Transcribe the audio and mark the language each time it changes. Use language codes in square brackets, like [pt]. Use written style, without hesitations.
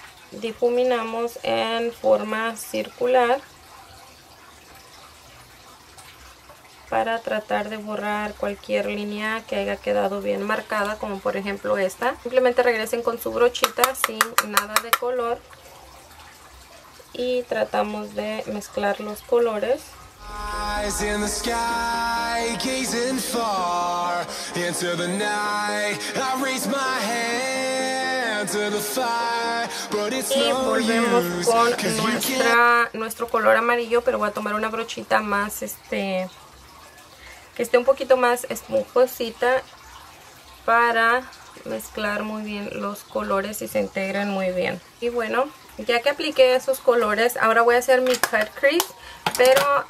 [es] Difuminamos en forma circular para tratar de borrar cualquier línea que haya quedado bien marcada, como por ejemplo esta. Simplemente regresen con su brochita sin nada de color y tratamos de mezclar los colores. [en] Eyes in the sky, gazing far into the night, I raise my hand to the fire. [es] Y volvemos con nuestro color amarillo, pero voy a tomar una brochita más que esté un poquito más esponjosita para mezclar muy bien los colores y se integren muy bien. Y bueno, ya que apliqué esos colores, ahora voy a hacer mi cut crease, pero